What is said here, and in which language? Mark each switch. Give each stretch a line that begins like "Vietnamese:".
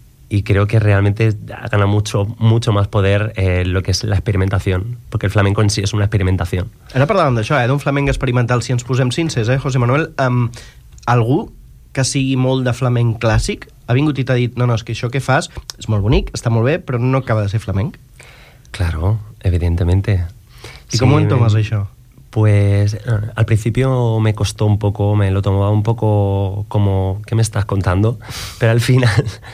Spanish: Y creo que realmente gana mucho, mucho más poder lo que es la experimentación, porque el flamenco en sí es una experimentación.
Catalan: Ara parlàvem d'això, d'un flamenc experimental, si ens posem sincers, José Manuel. Algú que sigui molt de flamenc clàssic ha vingut i t'ha dit, no, és que això que fas és molt bonic, està molt bé, però no acaba de ser flamenc.
Spanish: Claro, evidentemente.
Catalan: I sí, com ho entomes, això?
Spanish: Pues al principio me costó un poco, me lo tomaba un poco como, ¿qué me estás contando? Pero al final...